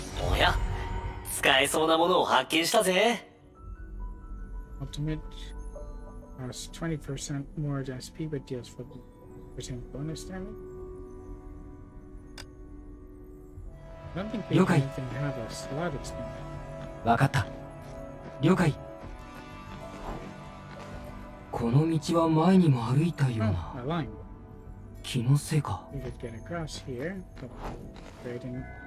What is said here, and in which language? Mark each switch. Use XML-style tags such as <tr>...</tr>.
<ja>おや、使えそうなものを発見したぜ。</ja> <en>Ultimate costs 20% more SP, but deals 40% bonus damage. I don't think they even have a slot expansion.</en> <ja>わかった。了解。この道は前にも歩いたような。</ja> <en>Oh, a line.</en> <ja>気のせいか。</ja> <en>We could get across here, but they didn't.</en>